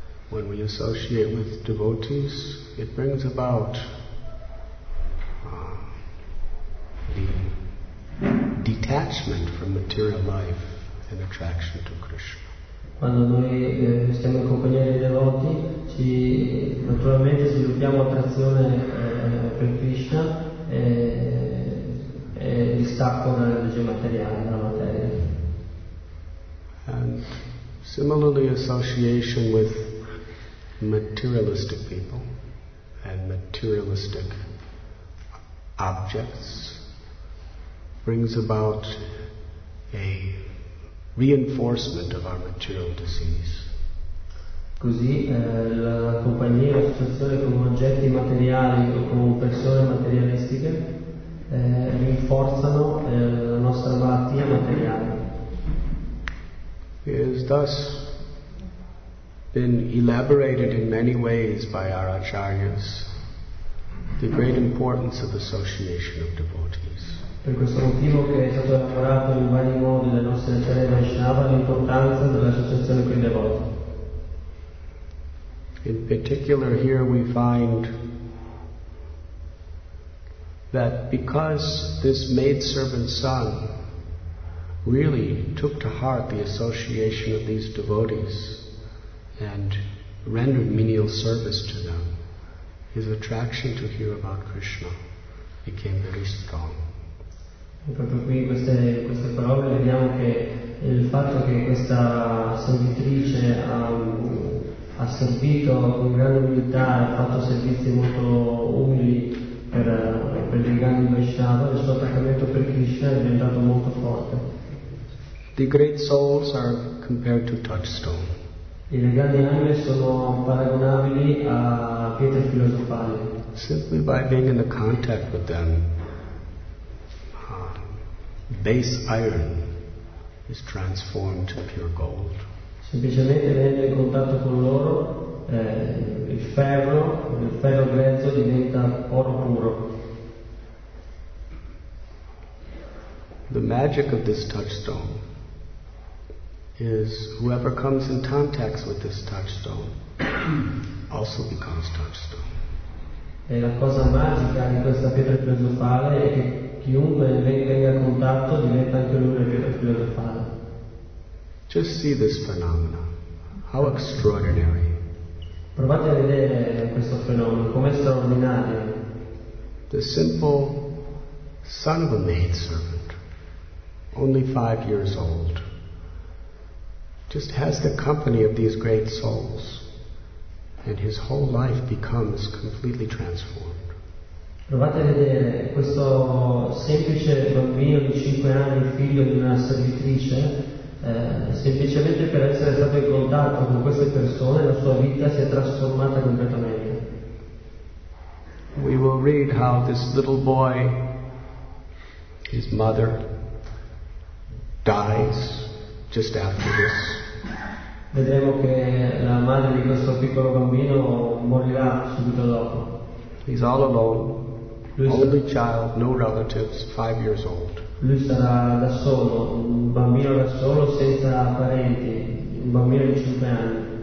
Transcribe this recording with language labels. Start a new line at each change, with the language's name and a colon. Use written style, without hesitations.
English: When we associate with devotees, it brings about the detachment from material life and attraction to Krishna.
Italian: Quando noi stiamo in compagnia dei devoti, ci naturalmente sviluppiamo attrazione per Krishna e distacco dalla legge materiale, dalla materia.
English: And similarly association with materialistic people and materialistic objects brings about a reinforcement of our material disease.
Italian: Così la compagnia, la situazione con oggetti materiali o con persone materialistiche rinforzano la nostra malattia materiale.
English: is thus been elaborated in many ways by our acharyas, the great importance of association of devotees.
Italian: Per questo motivo che è stato elaborato in vari modi dai nostri acharyas Vaishnava l'importanza dell'associazione con i devoti.
English: In particular, here we find that because this maidservant son really took to heart the association of these devotees and rendered menial service to them, his attraction to hear about Krishna became very strong.
Italian: Proprio qui in queste parole vediamo che il fatto che questa servitrice ha servito con grande umiltà, ha fatto servizi molto umili per il grande Vaishnava, il suo attaccamento per Krishna è diventato molto forte.
English: The great souls are compared to touchstone.
Italian: E le grandi anime sono paragonabili a pietre filosofali.
English: Simply by being in the contact with them, base iron is transformed to pure gold.
Italian: Semplicemente venendo in contatto con loro, il ferro grezzo diventa oro puro.
English: The magic of this touchstone is whoever comes in contact with this touchstone also becomes touchstone.
Italian: E la cosa magica di questa pietra filosofale è che chiunque venga in contatto diventa anche lui una pietra filosofale.
English: Just see this phenomena. How extraordinary.
Italian: Provate a vedere questo fenomeno, com'è straordinario.
English: The simple son of a maidservant, only 5 years old, just has the company of these great souls, and his whole life becomes completely transformed.
Italian: Provate a vedere questo semplice bambino di 5 anni, figlio di una servitrice. Semplicemente per essere stato in contatto con queste persone la sua vita si è trasformata completamente.
English: We will read how this little boy, his mother, dies just after this.
Italian: Vedremo che la madre di questo piccolo bambino morirà subito dopo.
English: He's all alone, only child, no relatives, 5 years old.
Italian: Lui sarà da solo, un bambino da solo, senza parenti, un bambino di 5 anni.